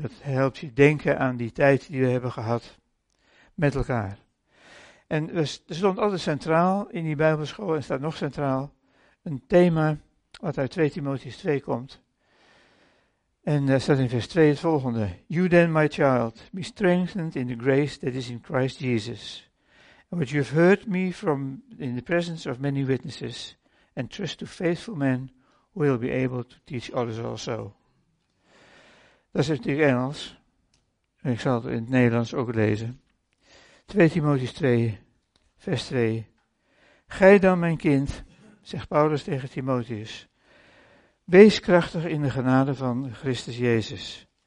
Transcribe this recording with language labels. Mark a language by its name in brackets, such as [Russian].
[Dutch] Dat helpt je denken aan die tijd die we hebben gehad met elkaar. En er stond altijd centraal in die Bijbelschool, en staat nog centraal, een thema wat uit 2 Timotheus 2 komt. En daar staat in vers 2 het volgende. [English] You then, my child, be strengthened in the grace that is in Christ Jesus. What you have heard me from in the presence of many witnesses, and trust to faithful men who will be able to teach others also. [Dutch] Dat is natuurlijk Engels. En ik zal het in het Nederlands ook lezen. 2 Timotheüs 2, vers 2. Gij dan, mijn kind, zegt Paulus tegen Timotheüs, wees krachtig in de genade van Christus Jezus.